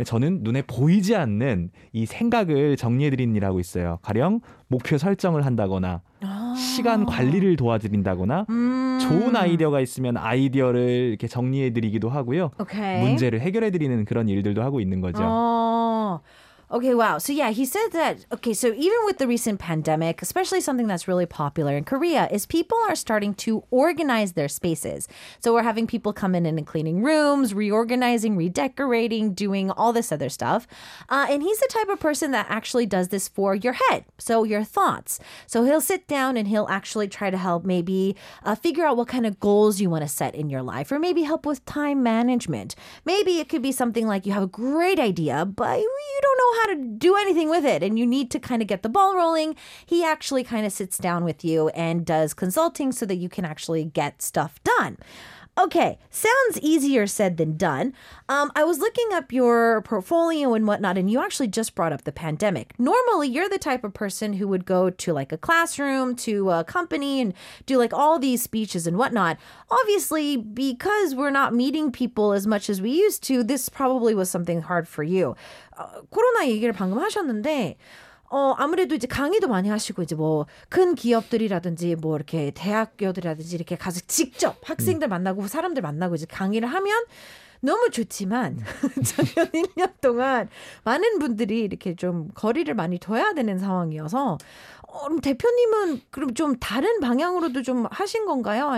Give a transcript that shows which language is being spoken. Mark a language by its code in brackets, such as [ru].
[ko] 저는 눈에 보이지 않는 이 생각을 정리해드리는 일하고 있어요. 가령 목표 설정을 한다거나 시간 관리를 도와드린다거나 좋은 아이디어가 있으면 아이디어를 이렇게 정리해드리기도 하고요. [en] Okay. [ko] 문제를 해결해드리는 그런 일들도 하고 있는 거죠. [en] Okay, wow. So yeah, he said that, okay, so even with the recent pandemic, especially something that's really popular in Korea, is people are starting to organize their spaces. So we're having people come in and cleaning rooms, reorganizing, redecorating, doing all this other stuff. And he's the type of person that actually does this for your head, so your thoughts. So he'll sit down and he'll actually try to help maybe figure out what kind of goals you want to set in your life, or maybe help with time management. Maybe it could be something like you have a great idea, but you don't know how to do anything with it and you need to kind of get the ball rolling. He actually kind of sits down with you and does consulting so that you can actually get stuff done. Okay, sounds easier said than done. I was looking up your portfolio and whatnot, and you actually just brought up the pandemic. Normally, you're the type of person who would go to like a classroom, to a company, and do like all these speeches and whatnot. Obviously, because we're not meeting people as much as we used to, this probably was something hard for you. [ko] 코로나 얘기를 방금 하셨는데 아무래도 이제 강의도 많이 하시고 이제 뭐 큰 기업들이라든지 뭐 이렇게 대학교들이라든지 이렇게 가서 직접 학생들 만나고 사람들 만나고 이제 강의를 하면 너무 좋지만 작년 1년 동안 많은 분들이 이렇게 좀 거리를 많이 둬야 되는 상황이어서 그럼 대표님은 그럼 좀 다른 방향으로도 좀 하신 건가요?